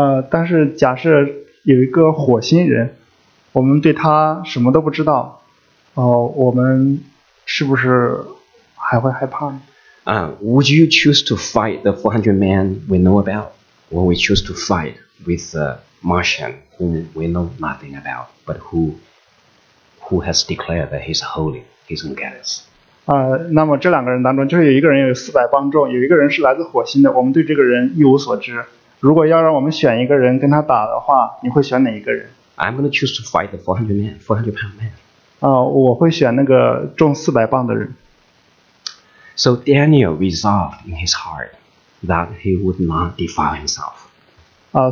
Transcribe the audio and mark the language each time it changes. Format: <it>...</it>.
<zh>但是假设有一个火星人，我们对他什么都不知道，我们是不是还会害怕呢？</zh> <en>Would you choose to fight the 400 men we know about, or we choose to fight with the Martian whom we know nothing about, but who has declared that he's holy, he's going to get us?</en> <zh>那么这两个人当中，就是有一个人有400磅重，有一个人是来自火星的，我们对这个人一无所知。如果要让我们选一个人跟他打的话，你会选哪一个人？</zh> <en>I'm going to choose to fight the 400-pound man.</en> <zh>我会选那个重400磅的人。</zh> <en>So Daniel resolved in his heart that he would not defile himself.</en>